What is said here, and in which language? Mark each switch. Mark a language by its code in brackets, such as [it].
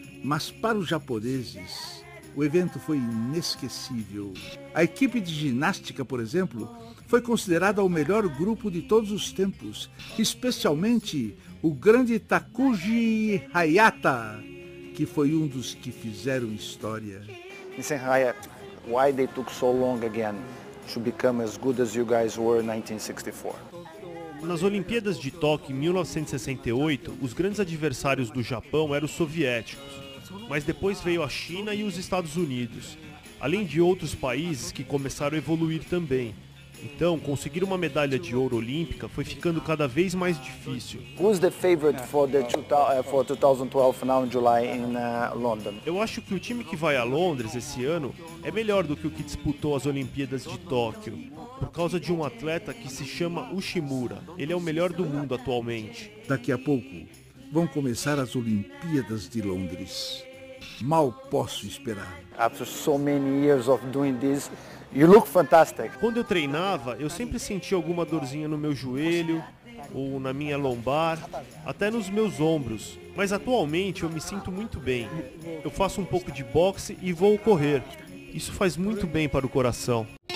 [pt] Mas para os japoneses, o evento foi inesquecível. A equipe de ginástica, por exemplo, foi considerada o melhor grupo de todos os tempos, especialmente o grande Takuji Hayata, que foi um dos que fizeram história. [en] Mr. Hayata, why they took so long again to become as good as you guys were in 1964? [pt] Nas Olimpíadas de Tóquio, em 1968, os grandes adversários do Japão eram os soviéticos. Mas depois veio a China e os Estados Unidos, além de outros países que começaram a evoluir também. Então, conseguir uma medalha de ouro olímpica foi ficando cada vez mais difícil. [en] Who's the favorite for the 2012 now in July in London? [pt] Eu acho que o time que vai a Londres esse ano é melhor do que o que disputou as Olimpíadas de Tóquio, por causa de um atleta que se chama Uchimura. Ele é o melhor do mundo atualmente. Daqui a pouco, vão começar as Olimpíadas de Londres. Mal posso esperar. [en] After so many years of doing this, you look fantastic. [pt] Quando eu treinava, eu sempre sentia alguma dorzinha no meu joelho ou na minha lombar, até nos meus ombros. Mas atualmente eu me sinto muito bem. Eu faço um pouco de boxe e vou correr. Isso faz muito bem para o coração.